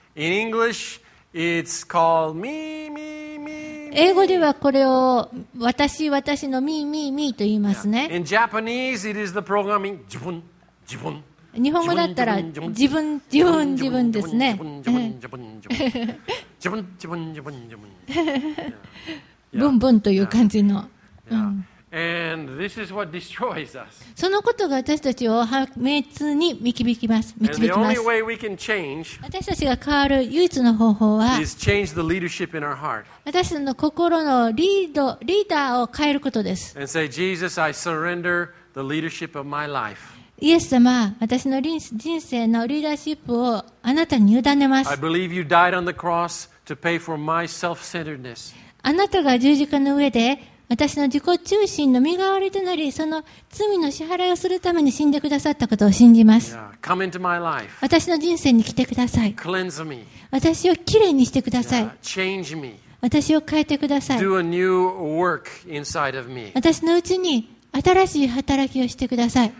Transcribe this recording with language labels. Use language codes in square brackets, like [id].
[en] In English, it's called me, me, me, me. [ja] 英語ではこれを私、私のみ、み、みと言いますね。 [en] In Japanese, it is the programming, 自分、自分。 [ja] 日本語だったら自分、自分、自分ですね。自分、自分、自分、自分。ブンブンという感じの。 [en] And this is what destroys us. [ja] そのことが私たちを破滅に導きます。私たちが変わる唯一の方法は、 [en] is change the leadership in our heart. [ja] 私たちの心のリーダーを変えることです。 [en] And say, Jesus, I surrender the leadership of my life. [ja] イエス様、私の人生のリーダーシップをあなたに委ねます。 [en] I believe you died on the cross to pay for my self-centeredness. [ja] あなたが十字架の上で私の自己中心の身代わりとなり、その罪の支払いをするために死んでくださったことを信じます。私の人生に来てください。私をきれいにしてください。私を変えてください。私の内に新しい働きをしてください。